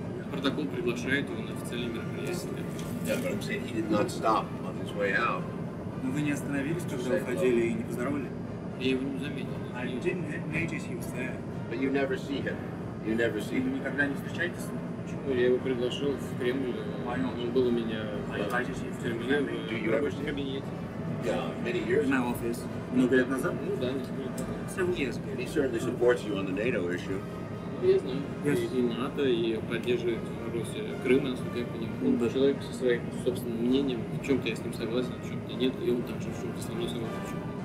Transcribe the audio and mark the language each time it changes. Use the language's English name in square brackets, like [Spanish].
[Russian] Протокол приглашает его на официальное мероприятие. [English] Yeah, but I'm saying he did not stop on his way out. [Russian] Но вы не остановились, когда уходили и не поздоровали? Я его не заметил. [English] I didn't notice he was there. But you never see him. You never see him. [Russian] Вы никогда не встречаетесь с ним? Почему? Я его приглашал в Кремль. Он был у меня в Кремле, в рабочем кабинете. [English] Yeah, many years in my office. [Russian] Много лет назад? [English] Several years ago. He certainly supports you on the NATO issue. Yes, [Russian] и НАТО, и поддерживает Россию Крым, насколько я понимаю. Он человек со своим собственным мнением. В чем-то я с ним согласен, в чем-то нет, и он также в чем-то со мной согласен.